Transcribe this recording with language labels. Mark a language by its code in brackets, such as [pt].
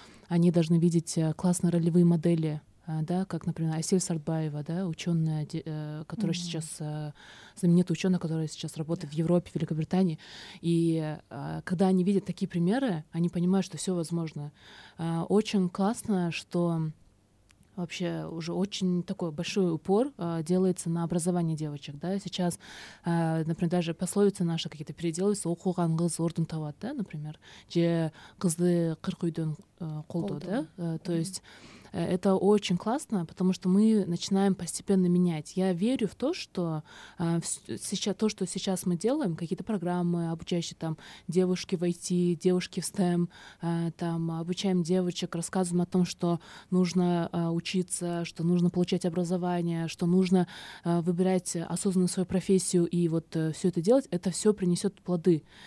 [ru] Они должны видеть классные ролевые модели, да, как, например, Асель Сартбаева, да, ученая, которая сейчас знаменитая ученая, которая сейчас работает в Европе, в Великобритании. И когда они видят такие примеры, они понимают, что все возможно. Очень классно, что вообще уже очень такой большой упор делается на образование девочек, да. Сейчас, например, даже пословицы наши какие-то переделываются, [kk] оқуған қыз орнын табады, [ru] да, например, где [kk] қызды қырқ үйден қолды, [ru] да. То есть это очень классно, потому что мы начинаем постепенно менять. Я верю в то, что сейчас то, что сейчас мы делаем, какие-то программы, обучающие там девушки в IT, девушки в STEM, там обучаем девочек, рассказываем о том, что нужно учиться, что нужно получать образование, что нужно выбирать осознанно свою профессию и вот все это делать, это все принесет плоды.